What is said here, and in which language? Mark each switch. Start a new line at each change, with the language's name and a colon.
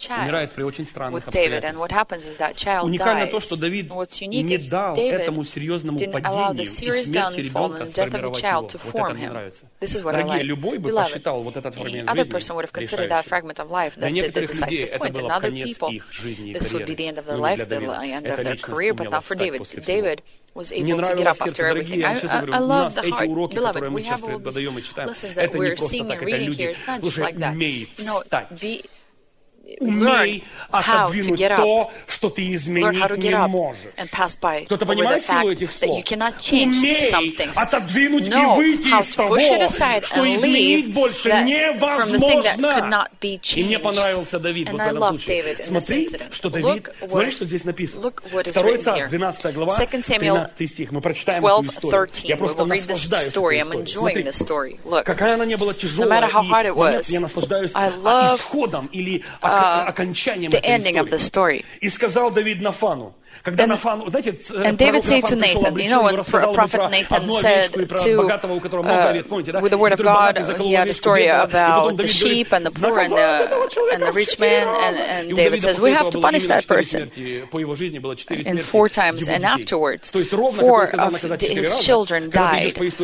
Russian: Умирает при очень странных обстоятельствах. Уникально то, что Давид не дал этому серьезному падению и смерти ребенка сформировать его. Вот это мне нравится. Дорогие, любой бы посчитал вот этот фрагмент жизни решающий. Для некоторых людей это было конец их жизни и карьеры. Но не для Давида. Это лично сумело встать после всего.
English: Was able to get up after everything. I love the heart, уроки, beloved. We have all these lessons that we're seeing and reading here. It's not just like that. No, be
Russian: умей отодвинуть то, что ты изменить не можешь. Кто-то понимает силу этих слов? Умей отодвинуть и выйти из того, что изменить больше невозможно. И мне понравился Давид в этом случае. Смотри, что Давид, смотри, что здесь написано. 2 Царств, 12 глава, 13 стих. Мы прочитаем эту историю. Я просто наслаждаюсь этой историей. Смотри, какая она не была тяжелая, и я наслаждаюсь исходом или окончанием
English: the ending
Russian: этой истории.
English: Of the story.
Russian: И сказал Давид Нафану, когда Нафан, знаете,
English: and David said to Nathan, you know, when prophet Nathan said to with the word of God, he had a story about the sheep and the poor and the rich man, and David says, we have to punish that person. And four times, and afterwards, four of his children died.